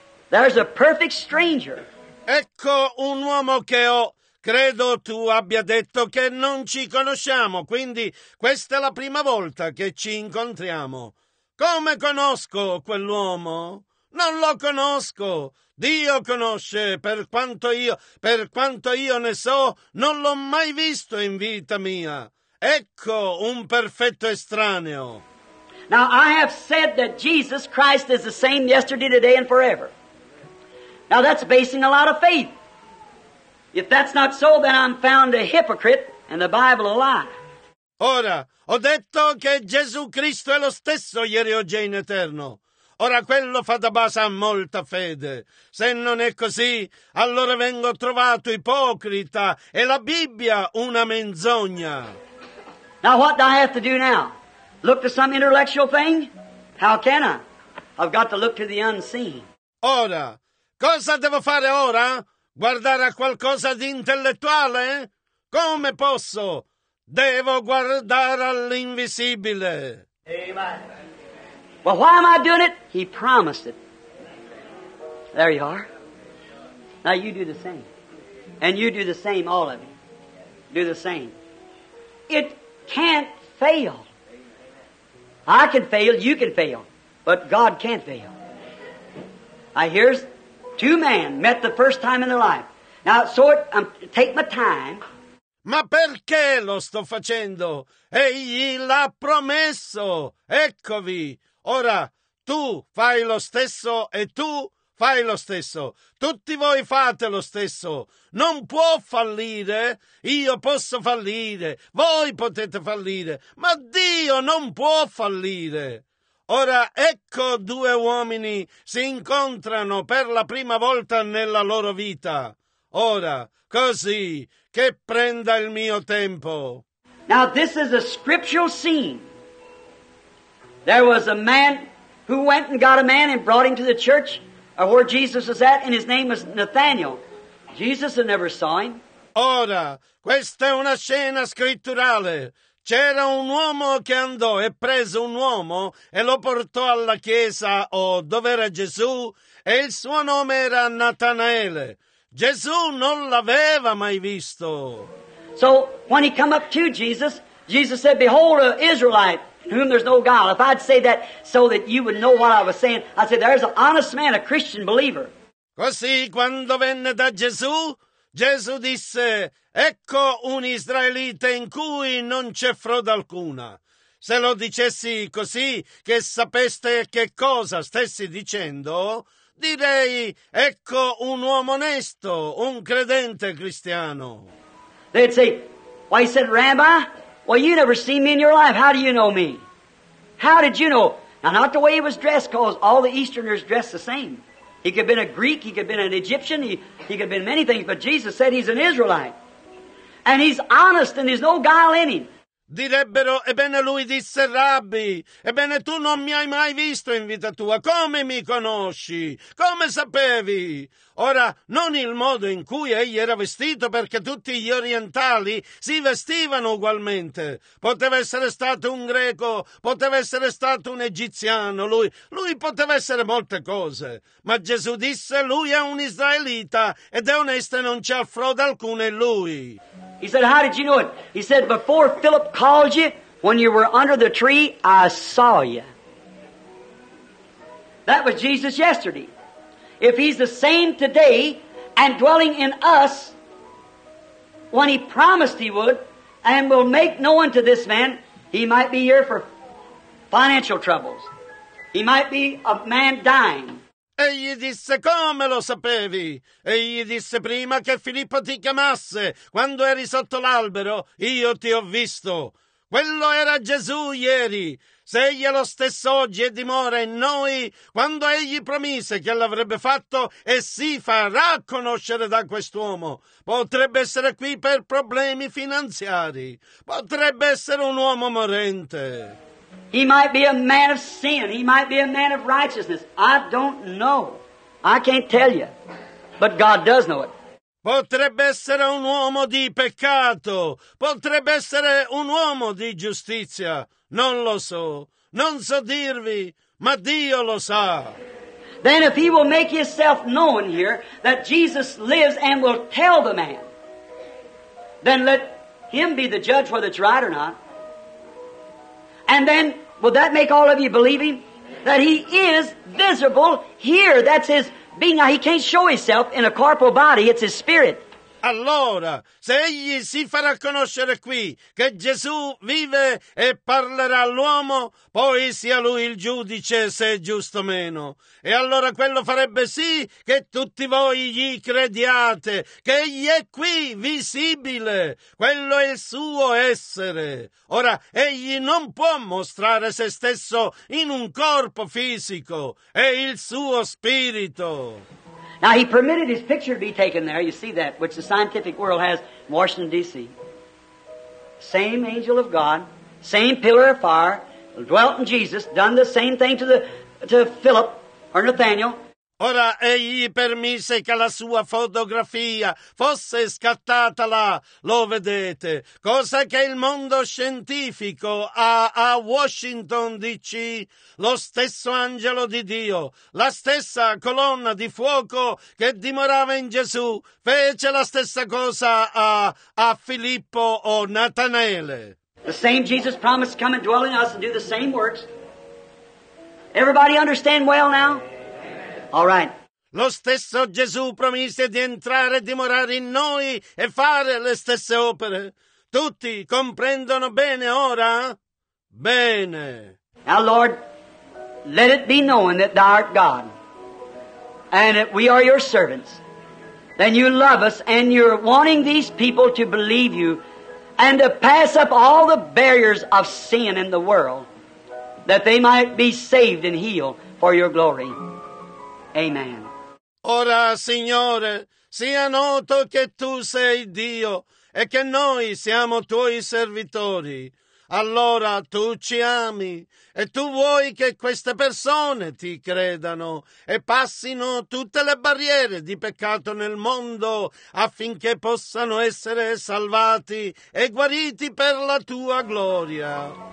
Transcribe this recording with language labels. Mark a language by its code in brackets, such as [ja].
[en] There's a perfect stranger. [it] Ecco un uomo che ho. Credo tu abbia detto che non ci conosciamo, quindi questa è la prima volta che ci incontriamo. Come conosco quell'uomo? Non lo conosco. Dio conosce, per quanto io ne so, non l'ho mai visto in vita mia. Ecco un perfetto estraneo. [en] Now I have said that Jesus Christ is the same yesterday, today and forever. Now that's basing a lot of faith. If that's not so, then I'm found a hypocrite and the Bible a lie. [it] Ora, ho detto che Gesù Cristo è lo stesso ieri, oggi e in eterno. Ora, quello fa da base a molta fede. Se non è così, allora vengo trovato ipocrita e la Bibbia una menzogna. [en] Now, what do I have to do now? Look to some intellectual thing? How can I? I've got to look to the unseen. [it] Ora, cosa devo fare ora? Guardare a qualcosa di intellettuale? Come posso? Devo guardare all'invisibile. Amen. [en] Well, why am I doing it? He promised it. There you are. Now you do the same. And you do the same, all of you. Do the same. It can't fail. I can fail, you can fail. But God can't fail. I hear... Two men met the first time in their life. Now, so take my time. [it] Ma perché lo sto facendo? Egli l'ha promesso. Eccovi. Ora, tu fai lo stesso e tu fai lo stesso. Tutti voi fate lo stesso. Non può fallire. Io posso fallire. Voi potete fallire. Ma Dio non può fallire. Ora ecco due uomini si incontrano per la prima volta nella loro vita. Ora, così, che prenda il mio tempo. [en] Now this is a scriptural scene. There was a man who went and got a man and brought him to the church where Jesus was at, and his name was Nathanael. Jesus had never saw him. [it] Ora, questa è una scena scritturale. C'era un uomo che andò e prese un uomo e lo portò alla chiesa dove era Gesù e il suo nome era Natanaele. Gesù non l'aveva mai visto. [en] So when he come up to Jesus, Jesus said, "Behold, an Israelite in whom there's no guile." If I'd say that so that you would know what I was saying, I'd say there's an honest man, a Christian believer. [it] Così quando venne da Gesù. Gesù disse, ecco un israelita in cui non c'è frode alcuna. Se lo dicessi così, che sapeste che cosa stessi dicendo, direi, ecco un uomo onesto, un credente cristiano. [en] They'd say, why, he said, Rabbi, well, you never seen me in your life. How do you know me? How did you know? Now, not the way he was dressed, because all the Easterners dress the same. He could have been a Greek, he could have been an Egyptian, he could have been many things, but Jesus said he's an Israelite. And he's honest and there's no guile in him. [it] Direbbero, ebbene lui disse, Rabbi, ebbene tu non mi hai mai visto in vita tua, come mi conosci? Come sapevi? Ora, non il modo in cui egli era vestito, perché tutti gli orientali si vestivano ugualmente. Poteva essere stato un greco, poteva essere stato un egiziano, lui poteva essere molte cose. Ma Gesù disse, lui è un israelita ed è onesto e non c'è frode alcuna in lui. [en] He said, how did you know it? He said, before Philip called you, when you were under the tree, I saw you. That was Jesus yesterday. If he's the same today and dwelling in us, when he promised he would and will make known to this man, he might be here for financial troubles. He might be a man dying. [it] Egli disse, come lo sapevi? Egli disse, prima che Filippo ti chiamasse, quando eri sotto l'albero, io ti ho visto. Quello era Gesù ieri. Se egli è lo stesso oggi e dimora in noi, quando egli promise che l'avrebbe fatto e si farà conoscere da quest'uomo, potrebbe essere qui per problemi finanziari. Potrebbe essere un uomo morente. [en] He might be a man of sin. He might be a man of righteousness. I don't know. I can't tell you. But God does know it. [it] Potrebbe essere un uomo di peccato. Potrebbe essere un uomo di giustizia. Non lo so. Non so dirvi, ma Dio lo sa. [en] Then if he will make himself known here that Jesus lives and will tell the man, then let him be the judge whether it's right or not. And then, would that make all of you believe him? That he is visible here. That's his being. He can't show himself in a corporal body. It's his spirit. [it] Allora, se egli si farà conoscere qui che Gesù vive e parlerà all'uomo, poi sia lui il giudice se è giusto o meno. E allora quello farebbe sì che tutti voi gli crediate, che egli è qui, visibile. Quello è il suo essere. Ora, egli non può mostrare se stesso in un corpo fisico, è il suo spirito. [en] Now, he permitted his picture to be taken there. You see that, which the scientific world has in Washington, D.C. Same angel of God, same pillar of fire, dwelt in Jesus, done the same thing to Philip or Nathaniel. [it] Ora, egli permise che la sua fotografia fosse scattata là, lo vedete, cosa che il mondo scientifico ha a Washington, D.C., lo stesso angelo di Dio, la stessa colonna di fuoco che dimorava in Gesù, fece la stessa cosa a Filippo o Natanele. [en] The same Jesus promised to come and dwell in us and do the same works. Everybody understand well now? All right. [it] Lo stesso Gesù promise di entrare e dimorare in noi e fare le stesse opere. Tutti comprendono bene ora? Bene. [en] Now, Lord, let it be known that thou art God and that we are your servants. Then you love us and you're wanting these people to believe you and to pass up all the barriers of sin in the world that they might be saved and healed for your glory. Amen. [it] Ora, Signore, sia noto che Tu sei Dio e che noi siamo Tuoi servitori. Allora Tu ci ami e Tu vuoi che queste persone Ti credano e passino tutte le barriere di peccato nel mondo affinché possano essere salvati e guariti per la Tua gloria.